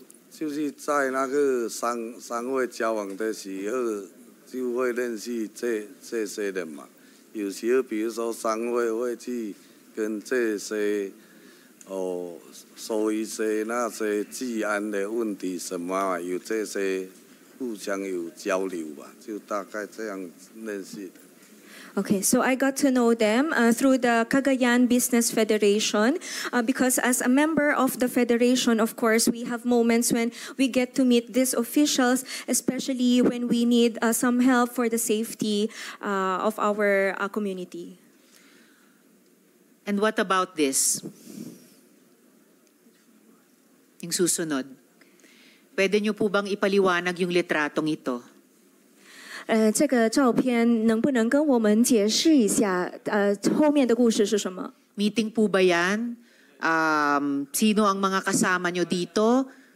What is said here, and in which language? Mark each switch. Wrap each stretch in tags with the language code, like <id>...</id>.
<zh>就是在那个商会交往的时候，就会认识这些人嘛。有时候，比如说商会去跟这些说一些那些治安的问题什么，有这些互相有交流吧，就大概这样认识的。</zh> <en>Okay, so I got to know them through the Cagayan Business Federation because as a member of the federation, of course, we have moments when we get to meet these officials, especially when we need some help for the safety of our community. And what about this?</en> <tl>Yung susunod. Pwede nyo po bang ipaliwanag yung litratong ito?</tl> <zh>这个照片能不能跟我们解释一下？后面的故事是什么</zh> <tl>？Meeting po ba yan? Sino ang mga kasama nyo dito?</tl>